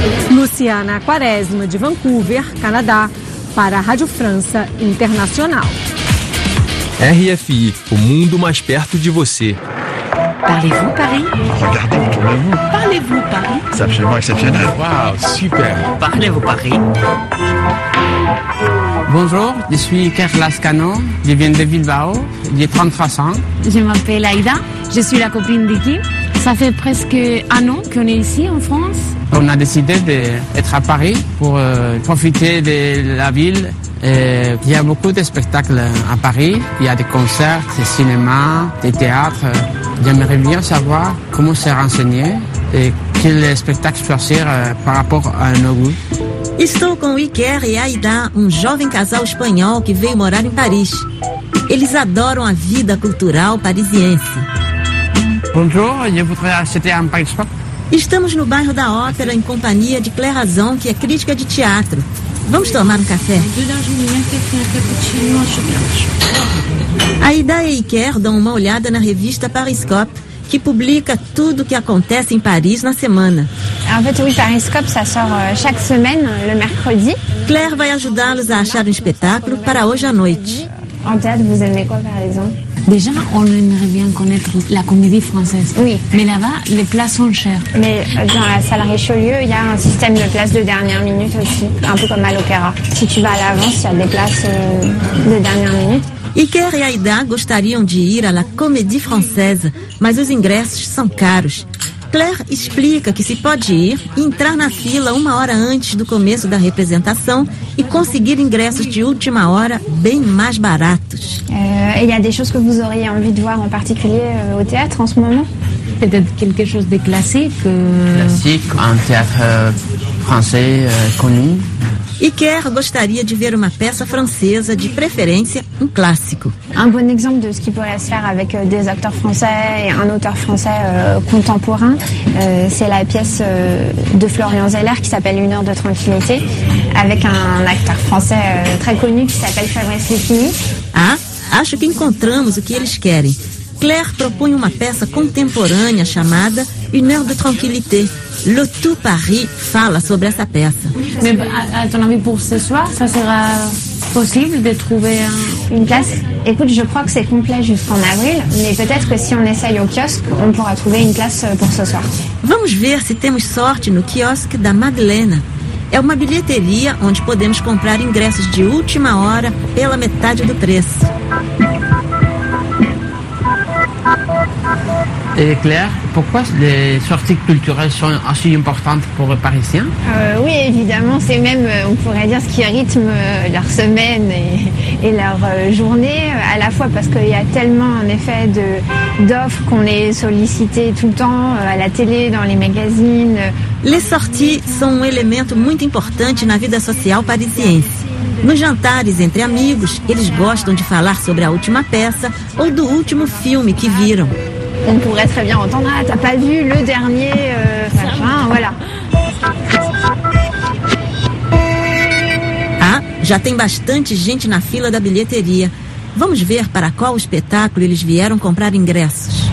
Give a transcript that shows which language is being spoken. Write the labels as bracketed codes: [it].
[pt] Luciana Quaresma, de Vancouver, Canadá, para a Rádio França Internacional. RFI, o mundo mais perto de você. [fr] Parlez-vous Paris? Regardez autour de vous. Parlez-vous Paris? C'est absolument exceptionnel. Wow, super. Parlez-vous Paris? Bonjour, je suis Carla Scano, je viens de Bilbao, j'ai 33 ans. Je m'appelle Aïda, je suis la copine de Kim. Ça fait presque un an qu'on est ici en France. On a décidé d'être à Paris pour profiter de la ville. Il y a beaucoup de spectacles à Paris. Il y a des concerts, des cinémas, des théâtres. J'aimerais bien savoir comment se renseigner et quel spectacle choisir par rapport à nos goûts. [pt] Estou com Iker e Aida, um jovem casal espanhol que veio morar em Paris. Eles adoram a vida cultural parisiense. [fr] Bonjour, je voudrais acheter un passeport. [pt] Estamos no bairro da Ópera, em companhia de Claire Razão, que é crítica de teatro. Vamos tomar um café? A ideia e Iker dão uma olhada na revista Pariscope, que publica tudo o que acontece em Paris na semana. [fr] Pariscope, ça sort chaque semaine, le mercredi. [pt] Claire vai ajudá-los a achar um espetáculo para hoje à noite. [fr] En théâtre, vous aimez quoi, par exemple? Déjà, on aimerait bien connaître la comédie française. Oui. Mais là-bas, les places sont chères. Mais dans la salle Richelieu, il y a un système de places de dernière minute aussi, un peu comme à l'opéra. Si tu vas à l'avance, il y a des places de dernière minute. [pt] Iker e Aida gostariam de ir à la comédie française, mas os ingressos são caros. Claire explica que se pode ir e entrar na fila uma hora antes do começo da representação e conseguir ingressos de última hora bem mais baratos. [fr] Il y a des choses que vous auriez envie de voir en particulier au théâtre en ce moment? Peut-être quelque chose de classique. Classique, un théâtre français connu. [pt] Iker gostaria de ver uma peça francesa, de preferência um clássico. [fr] Un bon exemple de ce qui pourrait se faire avec des acteurs français et un auteur français contemporain, c'est la pièce de Florian Zeller qui s'appelle Une heure de tranquillité, avec un acteur français très connu qui s'appelle Fabrice Luchini. [pt] Ah, acho que encontramos o que eles querem. Claire propõe uma peça contemporânea chamada Une heure de tranquillité. Le Tout Paris fala sobre essa peça. [fr] Mas, à ton avis, pour ce soir, ça sera possible de trouver une place? Écoute, je crois que c'est complet jusqu'en avril, mais peut-être que si on essaye au kiosque, on pourra trouver une place pour ce soir. [pt] Vamos ver se temos sorte no quiosque da Madeleine. É uma bilheteria onde podemos comprar ingressos de última hora pela metade do preço. [fr] Et Claire, pourquoi les sorties culturelles sont aussi importantes pour les Parisiens? Oui, évidemment, c'est même, on pourrait dire, ce qui rythme leur semaine et leur journée, à la fois parce qu'il y a tellement, en effet, d'offres qu'on est sollicité tout le temps, à la télé, dans les magazines. Les sorties sont un élément très important dans la vie sociale parisienne. [pt] Nos jantares entre amigos, eles gostam de falar sobre a última peça ou do último filme que viram. [fr] On pourrait très bien entendre, ah, t'as pas vu le dernier machin, voilà. [pt] Ah, já tem bastante gente na fila da bilheteria. Vamos ver para qual espetáculo eles vieram comprar ingressos.